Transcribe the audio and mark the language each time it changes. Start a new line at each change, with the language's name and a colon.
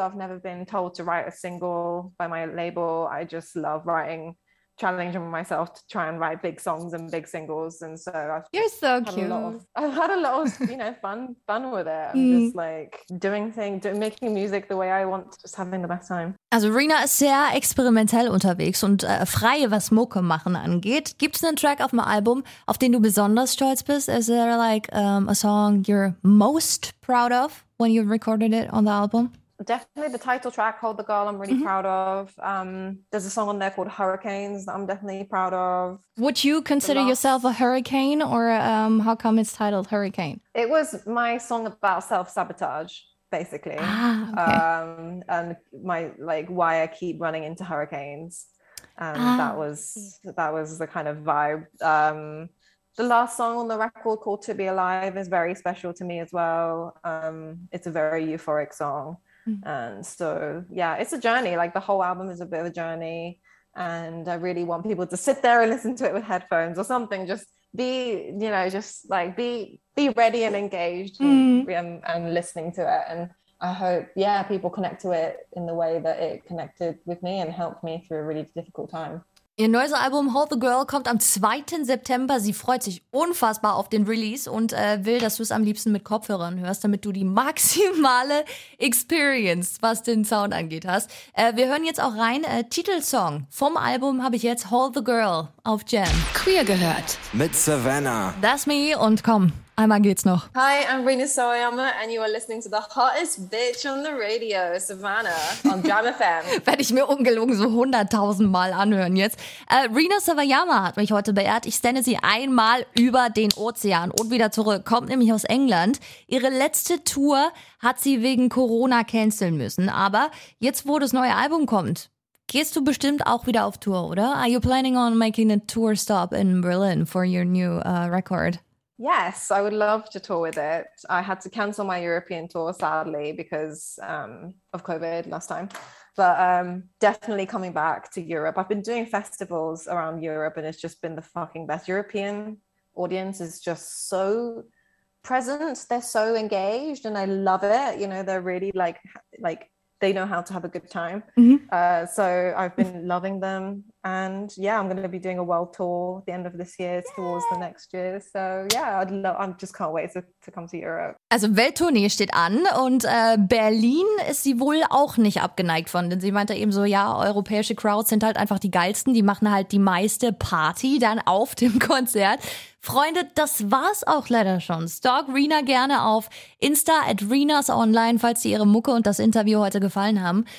English: I've never been told to write a single by my label. I just love writing, challenging myself to try and write big songs and big singles. And so I've had a lot of, you know, fun with it. I'm just like doing things, making music the way I want, just having the best time.
German: Also Rina ist sehr experimentell unterwegs und frei, was Mucke machen angeht. Gibt's einen Track auf dem Album, auf den du besonders stolz bist?
English: Is there like a song you're most proud of when you recorded it on the album? Definitely the title track, Hold the Girl, I'm really proud of. There's a song on there called Hurricanes that I'm definitely proud of. Would you consider yourself a hurricane, or how come it's titled Hurricane? It was my song about self-sabotage, basically. And my, like, why I keep running into hurricanes. That was the kind of vibe. The last song on the record called To Be Alive is very special to me as well. It's a very euphoric song. And so, yeah, it's a journey. Like, the whole album is a bit of a journey. and I really want people to sit there and listen to it with headphones or something. Just be, you know, just like be ready and engaged and listening to it. And I hope, yeah, people connect to it in the way that it connected with me and helped me through a really difficult time.
German: Ihr neues Album Hold the Girl kommt am 2. September. Sie freut sich unfassbar auf den Release und will, dass du es am liebsten mit Kopfhörern hörst, damit du die maximale Experience, was den Sound angeht, hast. Wir hören jetzt auch rein. Titelsong vom Album habe ich jetzt Hold the Girl auf Jam. Queer gehört mit Savannah.
English: That's me
German: und komm, einmal geht's noch.
English: Hi, I'm Rina Soyama and you are listening to the hottest bitch on the radio, Savannah, on Jam FM.
German: Werde ich mir ungelogen so 100.000 Mal anhören jetzt. Rina Soyama hat mich heute beehrt. Ich stanne sie einmal über den Ozean und wieder zurück. Kommt nämlich aus England. Ihre letzte Tour hat sie wegen Corona canceln müssen. Aber jetzt, wo das neue Album kommt, gehst du bestimmt auch wieder auf Tour, oder?
English: Are you planning on making a tour stop in Berlin for your new record? Yes, I would love to tour with it. I had to cancel my European tour, sadly, because of COVID last time. But definitely coming back to Europe. I've been doing festivals around Europe and it's just been the fucking best. European audience is just so present. They're so engaged and I love it. You know, they're really like they know how to have a good time. Mm-hmm. So I've been loving them. And yeah, I'm going to be doing a world tour at the end of this year towards the next year. So yeah, I just can't wait to come to Europe.
German: Also Welttournee steht an und Berlin ist sie wohl auch nicht abgeneigt von. Denn sie meinte eben so, ja, europäische Crowds sind halt einfach die geilsten. Die machen halt die meiste Party dann auf dem Konzert. Freunde, das war's auch leider schon. Stalk Rina gerne auf Insta @rinasonline, falls dir ihre Mucke und das Interview heute gefallen haben.